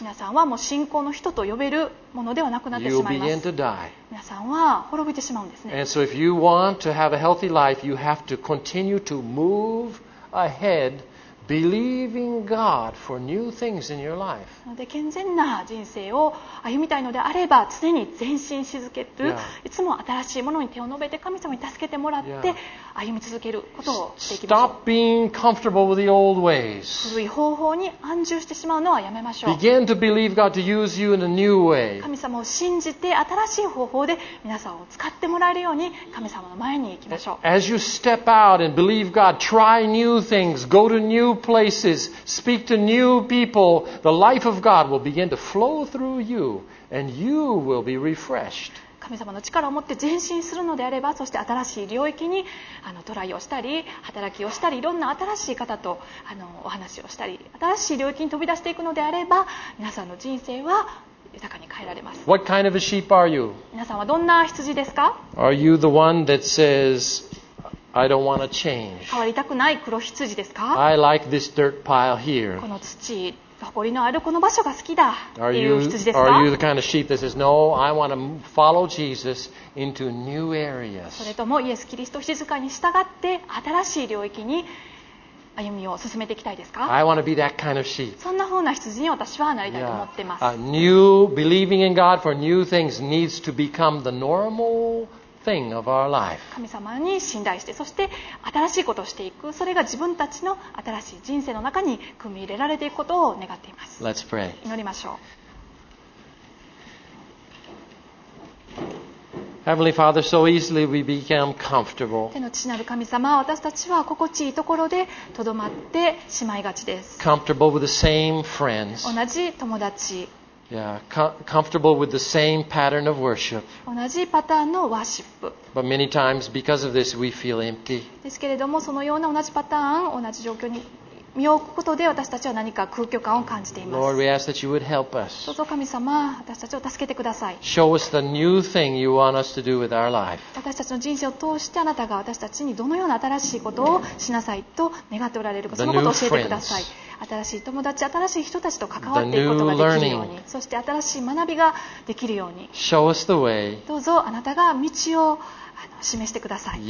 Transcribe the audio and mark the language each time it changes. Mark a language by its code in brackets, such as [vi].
[ja] 皆さんはもう信仰の人と呼べるものではなくなってしまいます。 [en] You will begin to die. [ja] 皆さんは滅びてしまうんですね。 [en] And so if you want to have a healthy life, you have to continue to move ahead. Believing God for new things in your life. [ja] なので健全な人生を歩みたいのであれば常に前進し続ける、yeah. いつも新しいものに手を伸べて神様に助けてもらって歩み続けることをしていきましょう。 [en] Stop being comfortable with the old ways. [ja] 古い方法に安住してしまうのはやめましょう。 [en] Begin to believe God to use you in a new way. [ja] 神様を信じて新しい方法で皆さんを使ってもらえるように神様の前に行きましょう。 [en] As you step out and believe God, try new things, go to newplaces, speak to new people, the life of God will begin to flow through you, and you will be refreshed. [ja] 神様の力を持って前進するのであれば、そして新しい領域にトライをしたり、働きをしたり、いろんな新しい方とお話をしたり、新しい領域に飛び出していくのであれば、皆さんの人生は豊かに変えられます。 [en] What kind of a sheep are you? [ja] 皆さんはどんな羊ですか? [en] Are you the one that says,I don't want to change. [ja] 変わりたくない黒羊ですか? [en] I like this dirt pile here. [ja] この土、埃のあるこの場所が好きだ。 [en] Are you, the kind of sheep that says, No, I want to follow Jesus into new areas. [ja] それともイエス・キリスト静かに従って新しい領域に歩みを進めていきたいですか? [en] I want to be that kind of sheep. [ja] そんな風な羊に私はなりたいと思ってます。 [en] Yeah. New believing in God for new things needs to become the normal. Of our life. [ja] 神様に信頼して、そして新しいことをしていく、それが自分たちの新しい人生の中に組み入れられていくことを願っています。 [en] Let's pray. [ja] 祈りましょう。 [en] Heavenly Father, so easily we become comfortable. [ja] 天の父なる神様、私たちは心地いいところでとどまってしまいがちです。 [en] Comfortable with the same friends. [ja] 同じ友達。 [en] Yeah, comfortable with the same pattern of worship. [ja] 同じパターンのワーシップ。 [en] But many times because of this, we feel empty. [ja] ですけれども、そのような同じパターン、同じ状況に身を置くことで私たちは何か空虚感を感じています。 [en] Lord, we ask that you would help us. [ja] どうぞ神様、私たちを助けてください。 [en] Show us the new thing you want us to do with our life. [ja] 私たちの人生を通してあなたが私たちにどのような新しいことをしなさいと願っておられるか、そのことを教えてください。新しい友達、新しい人たちと関わっていくことができるように、そして新しい学びができるように、 [en] Show us the way. [ja] どうぞあなたが道を示してください。